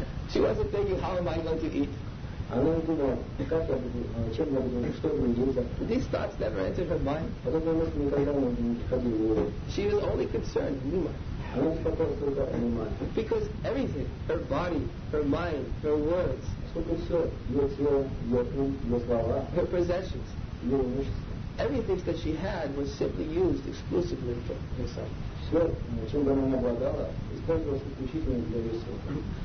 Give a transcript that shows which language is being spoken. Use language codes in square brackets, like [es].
[en] She wasn't thinking, how am I going to eat? [ru] Она не думала, как я буду, чем я буду, что я буду делать. [en] These thoughts never entered her mind. [ru] Потом она никогда не приходила. [en] She was only concerned, Nima. [ru] Она беспокоилась только о Нима. [en] Because everything, her body, her mind, her words, [ru] сколько все, ее тело, ее ум, ее слова, [en] her possessions, [ru] ее имущество, [en] everything that she had was simply used exclusively for herself. [ru] Все, чем бы она ни обладала, использовалось исключительно для ее сына.